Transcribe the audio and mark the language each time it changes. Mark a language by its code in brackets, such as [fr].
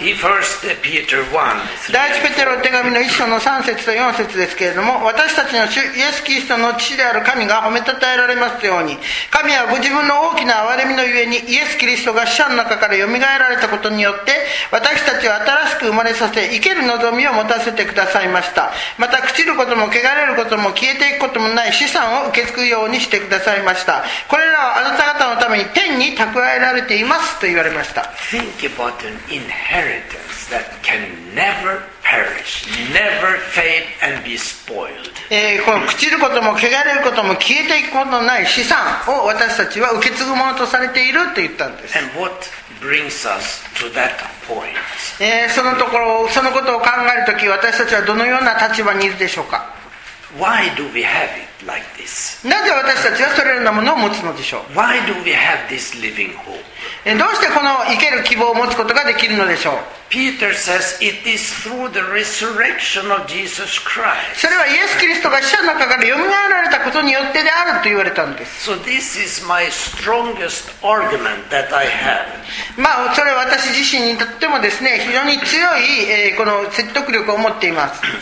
[ja] 第一ペテロ手紙の1章の3節と4節ですけれども、私たちの主イエスキリストの父である神が褒めたたえられますように、神はご自分の大きな憐れみのゆえにイエスキリストが死者の中からよみがえられたことによって私たちを新しく生まれさせ、生ける望みを持たせてくださいました。また朽ちることも汚れることも消えていくこともない資産を受け継ぐようにしてくださいました。これらはあなた方のために天に蓄えられていますと言われました。 [en] Think about an inheritanceThat can never perish, never fade and be spoiled. [ja] この朽ちることも汚れることも消えていくことのない資産を私たちは受け継ぐものとされていると言ったんです。 [en] And what brings us to that point? [ja] そのところ、そのことを考えるとき、私たちはどのような立場にいるでしょうか。 [en] Why do we have it like this? [ja] なぜ私たちはそれらのものを持つのでしょう。 [en] Why do we have this living hope? [ja] どうしてこの生ける希望を持つことができるのでしょう。 [en] Peter says it is through the resurrection of Jesus Christ. [ja] それはイエス・キリストが死者の中から蘇られたことによってであると言われたんです。 [en] So this is my strongest argument that I have. [ja] まあそれは私自身にとってもですね、非常に強い、この説得力を持っています。